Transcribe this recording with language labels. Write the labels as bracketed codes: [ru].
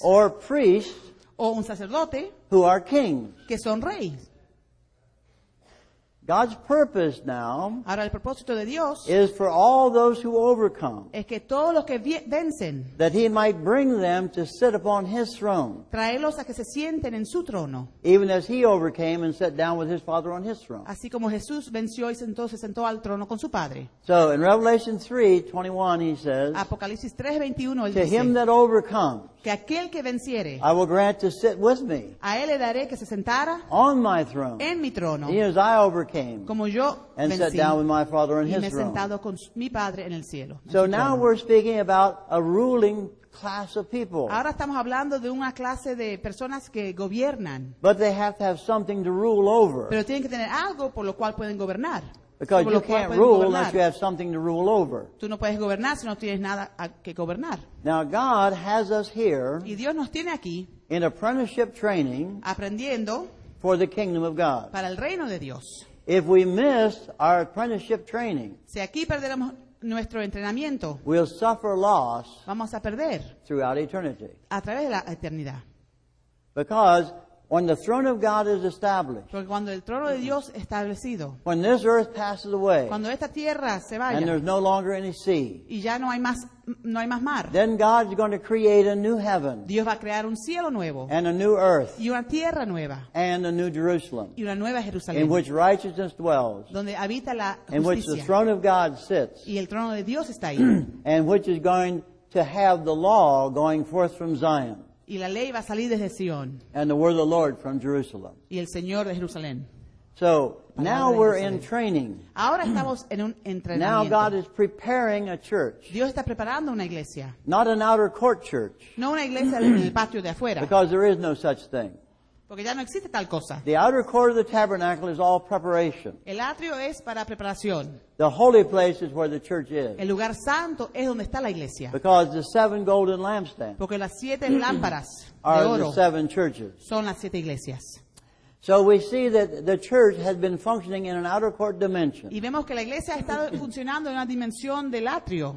[en] Or priests. [es] O un sacerdote. [en] Who are kings. [es] Que son reyes. [en] God's purpose now, [es] ahora, el propósito de Dios, [en] is for all those who overcome, [es] es que todos los que vencen, [en] that he might bring them to sit upon his throne, [es] traerlos a que se sienten en su trono, [en] even as he overcame and sat down with his father on his throne, [es] así como Jesús venció y entonces se sentó al trono con su padre. [en] So in Revelation 3:21 he says, [es] Apocalipsis 3:21 él [en] to [es] dice, [en] him that overcomes, [es] que aquel que venciere, [en] I will grant to sit with me, [es] a él le daré que se sentara, [en] on my throne, [es] en mi trono, [en] he as I overcame, [es] como yo [en] and [es] vencí, [en] sat down with my father on [es] y [en] his [es] me [en] throne. [es] Sentado con mi padre en el cielo, [en] so [es] en [en] now [es] trono. [en] We're speaking about a ruling class of people. [es] Ahora estamos hablando de una clase de personas que gobiernan. [en] But they have to have something to rule over. [es] Pero tienen que tener algo por lo cual pueden gobernar. [en] Because you can't rule unless you have something to rule over. [es] Tú no puedes gobernar si no tienes nada que gobernar. [en] Now God has us here, [es] y Dios nos tiene aquí, [en] in apprenticeship training, [es] aprendiendo, [en] for the kingdom of God, [es] para el reino de Dios. [en] If we miss our apprenticeship training, [es] si aquí perderemos nuestro entrenamiento, [en] we'll suffer loss, [es] vamos a perder, [en] throughout eternity, [es] a través de la eternidad. [en] Because When the throne of God is established, [es] porque cuando el trono de Dios establecido, [en] when this earth passes away, [es] cuando esta tierra se vaya, [en] and there's no longer any sea, [es] y ya no hay más, no hay más mar, [en] then God is going to create a new heaven, [es] Dios va a crear un cielo nuevo, [en] and a new earth, [es] y una tierra nueva, [en] and a new Jerusalem, [es] y una nueva Jerusalén, [en] in which righteousness dwells, [es] donde habita la justicia, [en] in which the throne of God sits, [es] y el trono de Dios está ahí, [en] and which is going to have the law going forth from Zion. [es] Y la ley va a salir desde Sion. [en] And the word of the Lord from Jerusalem. [es] Y el Señor de Jerusalén. [en] So now we're in training. [es] Ahora estamos en un entrenamiento. [en] Now God is preparing a church. [es] Dios está preparando una iglesia. [en] Not an outer court church. [es] No una iglesia en el patio de afuera. [en] Because there is no such thing. [es] Porque ya no existe tal cosa. [en] The outer court of the tabernacle is all preparation. [es] El atrio es para preparación. [en] The holy place is where the church is. [es] El lugar santo es donde está la iglesia. [en] Because the seven golden lampstands, [es] porque las siete lámparas [en] are [es] de oro, [en] the seven churches. [es] Son las siete iglesias. [en] So we see that the church has been functioning in an outer court dimension. [es] Y vemos que la iglesia ha estado funcionando en una dimensión del atrio.